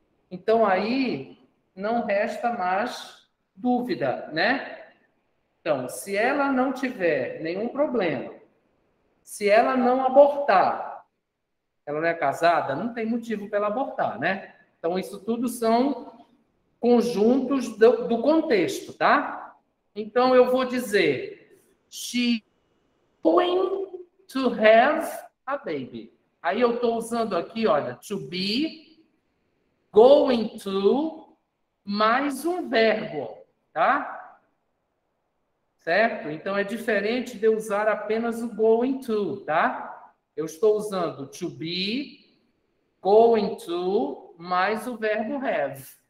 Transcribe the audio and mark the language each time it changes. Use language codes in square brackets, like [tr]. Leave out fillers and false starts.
[pt] Então, aí não resta mais dúvida, né? Então, se ela não tiver nenhum problema, se ela não abortar, ela não é casada, não tem motivo para ela abortar, né? Então, isso tudo são conjuntos do contexto, tá? Então, eu vou dizer, [en] she going to have a baby. [pt] Aí eu estou usando aqui, olha, to be, going to, mais um verbo, tá? Certo? Então, é diferente de usar apenas o going to, tá? Eu estou usando to be, going to, mais o verbo have.